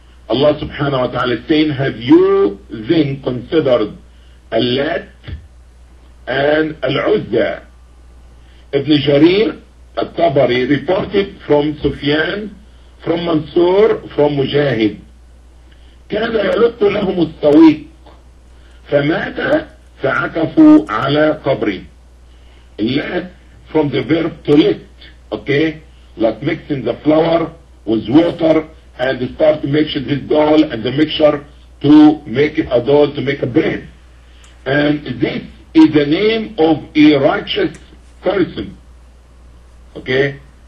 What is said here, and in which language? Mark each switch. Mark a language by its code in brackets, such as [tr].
[en] Allah subhanahu wa ta'ala is saying, have you then considered Al-Lat and Al-Uzza? Ibn Jarir al-Tabari reported from Sufyan, from Mansur, from Mujahid. [ar] كان يلط لهم السويق فمات فعكفوا على قبره. اللات [en] from the verb to lit, okay? Like mixing the flour with water and start to mix the dough and the mixture to make it a dough, to make a bread. And this is the name of a righteous person, okay?